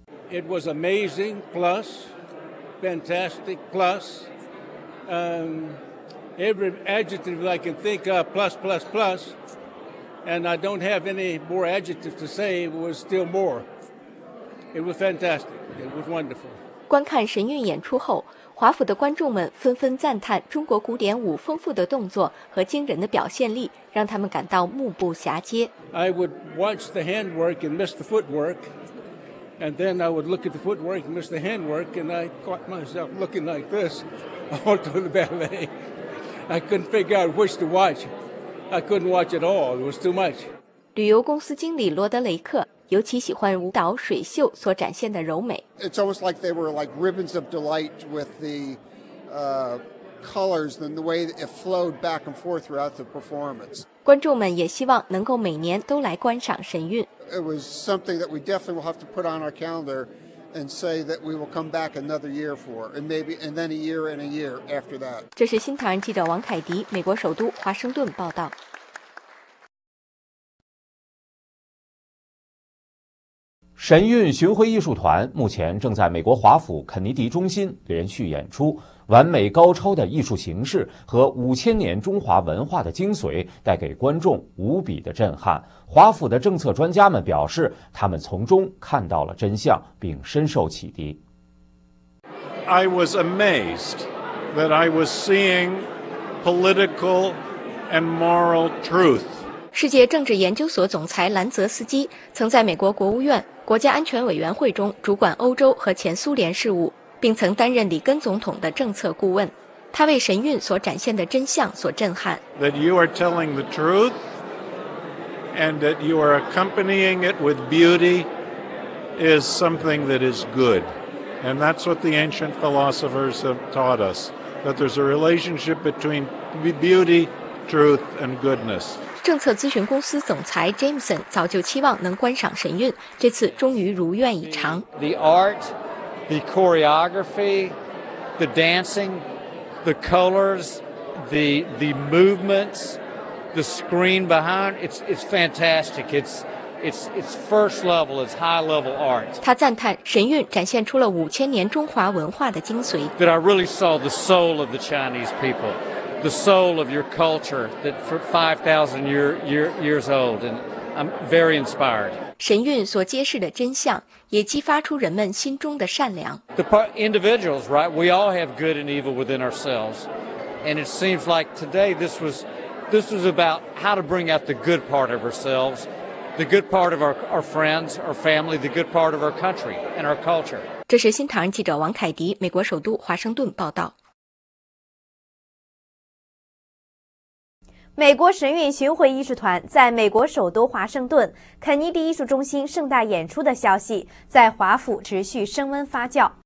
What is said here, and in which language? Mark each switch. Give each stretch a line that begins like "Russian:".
English: It was amazing plus fantastic plus every adjective I can think of plus plus plusAnd I don't have any more adjective to say, it was still more. It was fantastic. It was wonderful.
Chinese: 观看神韵演出后，华府的观众们纷纷赞叹中国古典舞丰富的动作和惊人的表现力，让他们感到目不暇接。
English: I would watch the handwork and miss the footwork, and then I would look at the footwork and miss the handwork, and I caught myself looking like this all through the ballet. I couldn't figure out which to watch. I couldn't watch at all. It was too much.
Chinese: 旅游公司经理罗德雷克尤其喜欢舞蹈水袖所展现的柔美。
English: It's almost like they were like ribbons of delight with the colors and the way it flowed back and forth throughout the performance.
Chinese: 观众们也希望能够每年都来观赏神韵。
English: It was something that we definitely will have to put on our calendar and say that we will come back another year for, and maybe, and then a year and a year after that.
Chinese: 这是新唐人记者王凯迪，美国首都华盛顿报道。神韵巡回艺术团目前正在美国华府肯尼迪中心连续演出，完美高超的艺术形式和五千年中华文化的精髓带给观众无比的震撼。华府的政策专家们表示，他们从中看到了真相，并深受启迪。
English: I was amazed that I was seeing political and moral truth.
Chinese: 世界政治研究所总裁兰泽斯基曾在美国国务院国家安全委员会中主管欧洲和前苏联事务，并曾担任里根总统的政策顾问。他为神韵所展现的真相所震撼。
English: That you are telling the truth and that you are accompanying it with beauty is something that is good. And that's what the ancient philosophers have taught us, that there's a relationship between beauty, truth, and goodness.
Chinese: 政策咨询公司总裁 Jameson 早就期望能观赏神韵，这次终于如愿以偿。
English: The art, the choreography, the dancing, the colors, the movements, the screen behind, it's fantastic. It's first level, it's high level art.
Chinese: 他赞叹神韵展现出了五千年中华文化的精髓。
English: That I really saw the soul of the Chinese people. The soul of your culture that for 5,000 years old, and I'm very inspired.
Chinese: 神韵所揭示的真相也激发出人们心中的善良。
English: The individuals, right? We all have good and evil within ourselves, and it seems like today this was about how to bring out the good part of ourselves, the good part of our friends, our family, the good part of our country and our culture.
Chinese: 这是新唐人记者王凯迪，美国首都华盛顿报道。美国神韵巡回艺术团在美国首都华盛顿肯尼迪艺术中心盛大演出的消息在华府持续升温发酵。